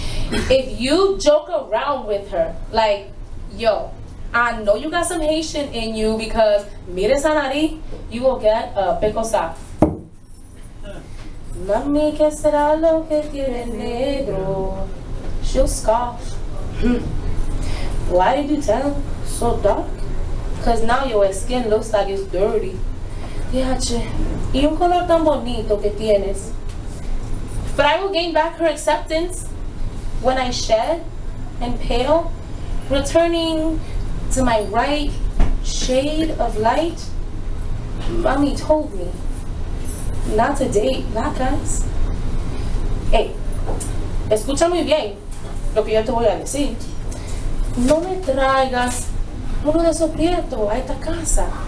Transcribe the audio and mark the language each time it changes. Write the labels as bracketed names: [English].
[English] If you joke around with her, like, yo, I know you got some Haitian in you because [Spanish] mire esa nariz, [English] you will get a pecosa. [Spanish] Mami, que será lo que tiene negro? [English] She'll scoff. Why did you tan so dark? Because now your skin looks like it's dirty. [Spanish] Yache, y un color tan bonito que tienes. [English] But I will gain back her acceptance when I shed and pale, returning to my right shade of light. Mommy told me not to date black guys. [Spanish] Hey, escucha muy bien lo que yo te voy a decir. No me traigas uno de esos prietos a esta casa.